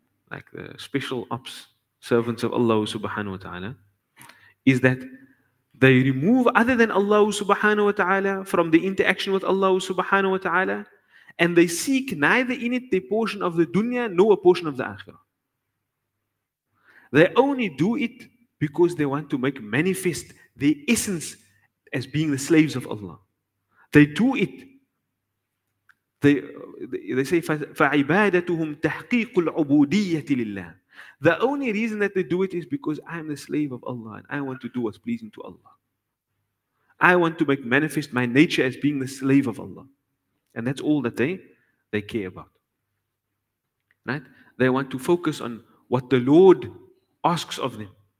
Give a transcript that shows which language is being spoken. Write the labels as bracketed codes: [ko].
[en] Like the special ops servants of Allah subhanahu wa ta'ala, is that they remove other than Allah subhanahu wa ta'ala from the interaction with Allah subhanahu wa ta'ala, and they seek neither in it the portion of the dunya nor a portion of the akhirah. They only do it because they want to make manifest the essence as being the slaves of Allah. They do it. They say, [ar] فَعِبَادَتُهُمْ تَحْقِيقُ الْعُبُودِيَّةِ لِلَّهِ. [en] The only reason that they do it is because I am the slave of Allah, and I want to do what's pleasing to Allah. I want to make manifest my nature as being the slave of Allah. And that's all that they care about. Right? They want to focus on what the Lord asks of them.